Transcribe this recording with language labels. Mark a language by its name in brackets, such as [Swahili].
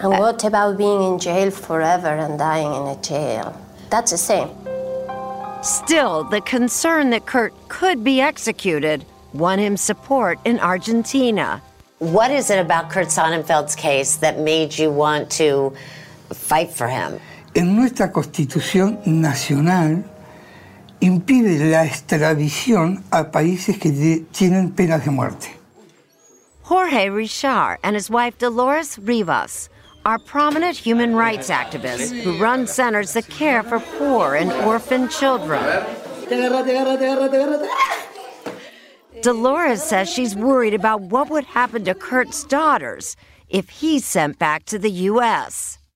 [English] And what about being in jail forever and dying in a jail? That's the same. Still, the concern that Kurt could be executed won him support in Argentina. What is it about Kurt Sonnenfeld's case that made you want to fight for him? [Spanish] En nuestra Constitución Nacional impide la extradición a países que tienen penas de muerte. [English] Jorge Richard and his wife Dolores Rivas are prominent human rights activists who run centers that care for poor and orphan children. Dolores says she's worried about what would happen to Kurt's daughters if he's sent back to the U.S.